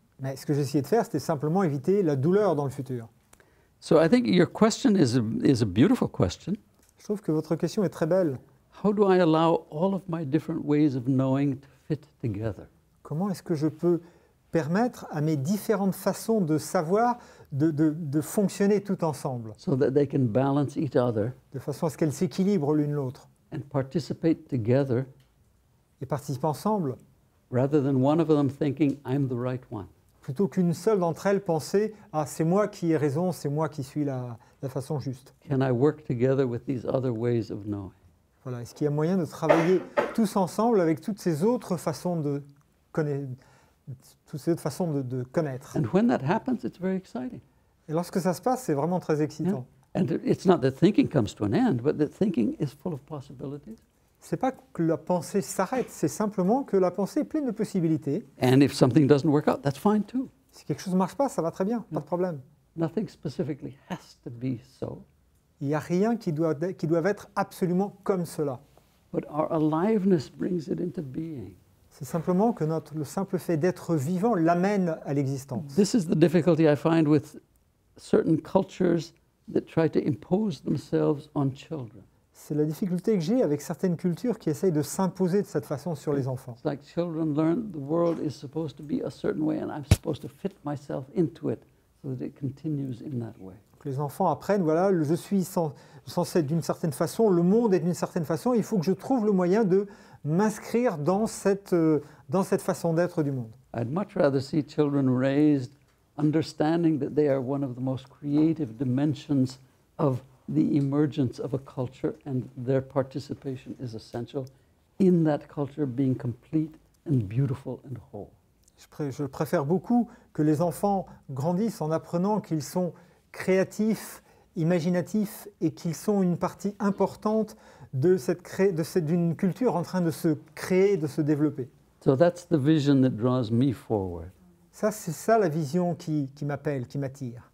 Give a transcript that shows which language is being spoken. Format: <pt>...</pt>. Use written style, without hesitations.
<fr>Mais ce que j'essayais de faire, c'était simplement éviter la douleur dans le futur.</fr> <en>So I think your question is a beautiful question.</en> <fr>Je trouve que votre question est très belle.</fr> <en>How do I allow all of my different ways of knowing to fit together?</en> <fr>Comment est-ce que je peux permettre à mes différentes façons de savoir de fonctionner tout ensemble.</fr> <en>So that they can balance each other.</en> <fr>De façon à ce qu'elles s'équilibrent l'une l'autre.</fr> <en>And participate together.</en> <fr>Et participent ensemble.</fr> <en>Rather than one of them thinking I'm the right one.</en> <fr>Plutôt qu'une seule d'entre elles pensait ah c'est moi qui ai raison, c'est moi qui suis la façon juste.</fr> <en>Can I work together with these other ways of knowing?</en> <fr>Voilà, est-ce qu'il y a moyen de travailler tous ensemble avec toutes ces autres façons de connaître.</fr> <en>And when that happens, it's very exciting.</en> <fr>Et lorsque ça se passe, c'est vraiment très excitant.</fr> <en>Yeah. And it's not that thinking comes to an end, but that thinking is full of possibilities.</en> <fr>C'est pas que la pensée s'arrête, c'est simplement que la pensée est pleine de possibilités.</fr> <en>And if something doesn't work out, that's fine too.</en> <fr>Si quelque chose ne marche pas, ça va très bien, yeah. Pas de problème.</fr> <en>Nothing specifically has to be so.</en> <fr>Il n'y a rien qui doit être absolument comme cela.</fr> <en>But our aliveness brings it into being.</en> <fr>C'est simplement que le simple fait d'être vivant l'amène à l'existence.</fr> <en>This is the difficulty I find with certain cultures that try to impose themselves on children.</en> <fr>C'est la difficulté que j'ai avec certaines cultures qui essayent de s'imposer de cette façon sur les enfants.</fr> <en>It's like children learn the world is supposed to be a certain way and I'm supposed to fit myself into it so that it continues in that way.</en> <fr>Les enfants apprennent, voilà, je suis censé être d'une certaine façon, le monde est d'une certaine façon, il faut que je trouve le moyen de m'inscrire dans cette façon d'être du monde.</fr> <en>I'd much rather see children raised understanding that they are one of the most creative dimensions of the emergence of a culture and their participation is essential in that culture being complete and beautiful and whole.</en> <fr>Je préfère beaucoup que les enfants grandissent en apprenant qu'ils sont créatifs, imaginatifs et qu'ils sont une partie importante d'une culture en train de se créer, de se développer.</fr> <en>So that's the vision that draws me forward.</en> <fr>Ça, c'est ça la vision qui m'appelle, qui m'attire.</fr>